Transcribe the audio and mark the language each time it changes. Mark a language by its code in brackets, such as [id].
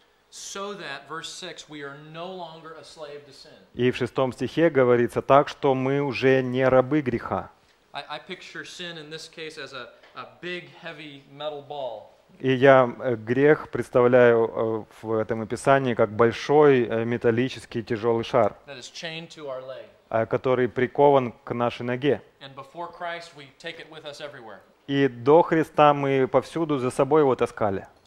[en] So that, verse 6, we are no longer a slave to sin. [ru] И в 6 стихе говорится так, что мы уже не рабы греха. [en] I picture sin in this case as a big, heavy metal ball. [ru] И я грех представляю в этом описании как большой металлический тяжелый шар, [en] that is chained to our leg. [ru] Который прикован к нашей ноге. [en] And before Christ, we take it with us everywhere. [ru] И до Христа мы повсюду за собой его таскали.